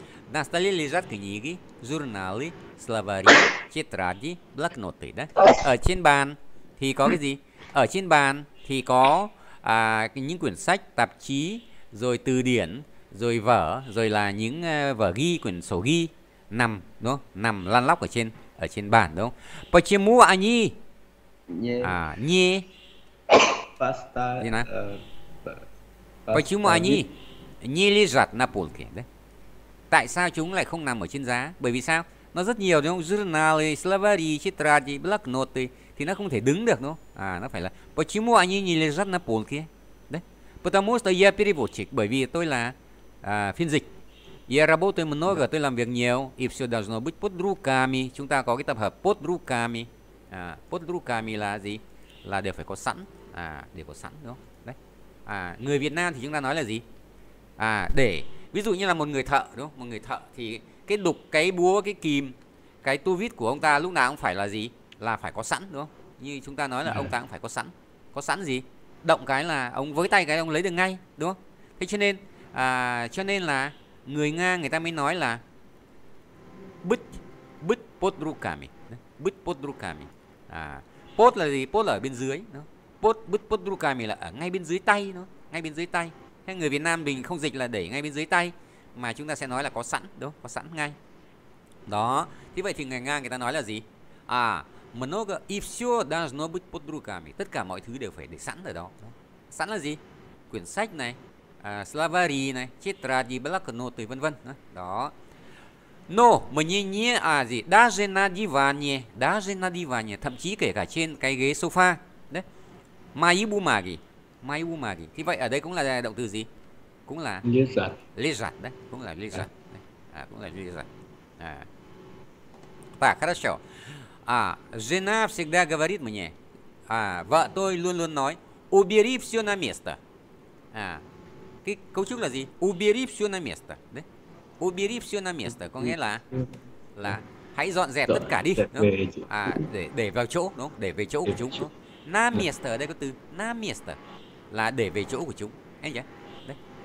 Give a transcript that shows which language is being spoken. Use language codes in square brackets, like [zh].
[ru] На столе лежат книги, журналы, словари, тетради, блокноты, да? [vi] Ở trên bàn thì có cái gì? Ở trên bàn thì có những quyển sách, tạp chí, rồi từ điển, rồi vở, rồi là những vở ghi, quyển sổ ghi nằm, đúng không? Nằm lăn lóc ở trên bàn đúng không? [ru] Почему они [vi] À, nhé. Pasta. Gì nào? [ru] Почему они не лежат на полке? [vi] tại sao chúng lại không nằm ở trên giá? Bởi vì sao? Nó rất nhiều đúng không? Journal, Slavery, Chitra, Black Note thì nó không thể đứng được đúng không? [ru] À, [vi] nó phải là [ru] Почему они не лежат на полке? [vi] Đấy. [ru] Потому что я переводчик. [vi] Bởi vì tôi là phiên dịch. [ru] Я работаю много, [vi] tôi làm việc nhiều. [ru] И все должно быть под руками. [vi] Chúng ta có cái tập hợp под руками. À, под руками là gì? Là đều phải có sẵn. À, đều có sẵn đúng không? Đấy. À, người Việt Nam thì chúng ta nói là gì? À, để ví dụ như là một người thợ đúng không? Một người thợ thì cái đục, cái búa, cái kìm, cái tu vít của ông ta lúc nào cũng phải là gì? Là phải có sẵn đúng không? Như chúng ta nói là ông ta cũng phải có sẵn. Có sẵn gì? Động cái là ông với tay cái ông lấy được ngay đúng không? Thế cho nên là người Nga người ta mới nói là bút bút pod rukami. Bút pod rukami. À, pod là gì? Pod là ở bên dưới đúng không? Pod bút pod rukami là ở ngay bên dưới tay nó, ngay bên dưới tay. Thế người Việt Nam mình không dịch là để ngay bên dưới tay mà chúng ta sẽ nói là có sẵn đúng không? Có sẵn ngay. Đó. Thế vậy thì người Nga người ta nói là gì? À, [ru] много и всё должно быть под руками. [vi] Tất cả mọi thứ đều phải để sẵn ở đó. Sẵn là gì? Quyển sách này, словари này, тетради, блокноты, vân vân. Đó. [ru] Но мне не а gì? Даже на диване, даже на диване, [vi] thậm chí kể cả trên cái ghế sofa. [ru] Đấy. Мои бумаги. Мои бумаги. [vi] Thì vậy ở đây cũng là động từ gì? Cũng là [ru] лежат. [vi] Лежат đấy, cũng là лежат. À, cũng là лежат. [ru] À. Так, хорошо. А, жена всегда говорит мне. [vi] А, vợ tôi luôn luôn nói, [ru] убери всё на место. [vi] À. Cái câu trúc là gì? [ru] Убери всё на место. [vi] Đấy. [ru] Убери всё на место [vi] có nghĩa là hãy dọn dẹp tất cả đi, đúng không? À, để vào chỗ, đúng không? Để về chỗ của chúng, đúng không? На место đây có từ на место là để về chỗ của chúng, anh nhỉ? Đấy.